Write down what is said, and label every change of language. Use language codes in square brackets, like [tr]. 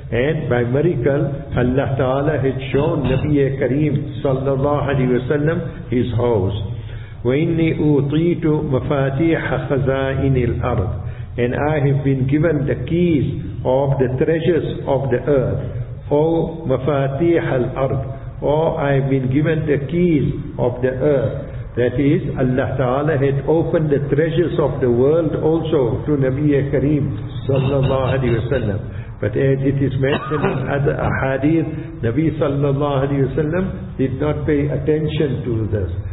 [en] And by miracle, Allah Ta'ala had shown Nabi Kareem sallallahu alayhi wa sallam his house. [ar] وَإِنِّي أُوْطِيتُ مَفَاتِيحَ خَزَائِنِ الْأَرْضِ. [en] And I have been given the keys of the treasures of the earth. [ar] Oh, مَفَاتِيحَ الْأَرْضِ. [en] Oh, I have been given the keys of the earth. That is, Allah Ta'ala had opened the treasures of the world also to Nabi Kareem sallallahu alayhi wa sallam. But as it is mentioned in other ahadith, Nabi sallallahu alayhi wa sallam did not pay attention to this.